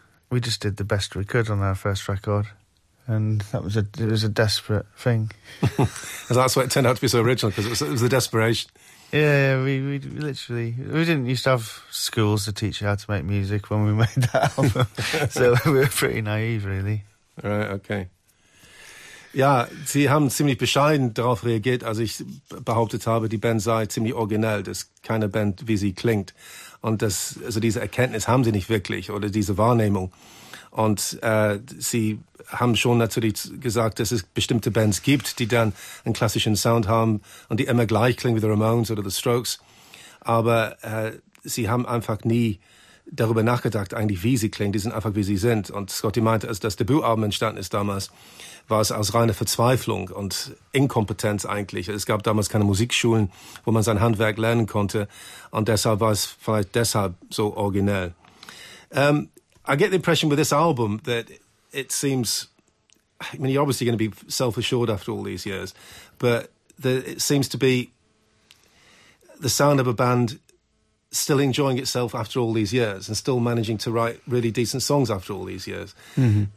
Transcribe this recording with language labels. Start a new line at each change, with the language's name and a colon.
English: We just did the best we could on our first record, and that was a desperate thing. That's why it turned out to be so original, because it was the desperation. Yeah, we didn't used to have schools to teach you how to make music when we made that album, so we were pretty naive, really. Right. Okay.
German: Ja, Sie haben ziemlich bescheiden darauf reagiert, als ich behauptet habe, die Band sei ziemlich originell, dass keine Band wie sie klingt. Und das, also diese Erkenntnis haben sie nicht wirklich oder diese Wahrnehmung. Und sie haben schon natürlich gesagt, dass es bestimmte Bands gibt, die dann einen klassischen Sound haben und die immer gleich klingen wie The Ramones oder The Strokes. Aber sie haben einfach nie darüber nachgedacht, eigentlich wie sie klingen. Die sind einfach wie sie sind. Und Scotty meinte, als das Debütalbum entstanden ist damals, war es aus reiner Verzweiflung und Inkompetenz eigentlich. Es gab damals keine Musikschulen, wo man sein Handwerk lernen konnte. Und deshalb war es vielleicht deshalb so originell.
English: I get the impression with this album that it seems, I mean, you're obviously going to be self-assured after all these years, but it seems to be the sound of a band still enjoying itself after all these years and still managing to write really decent songs after all these years, mm-hmm.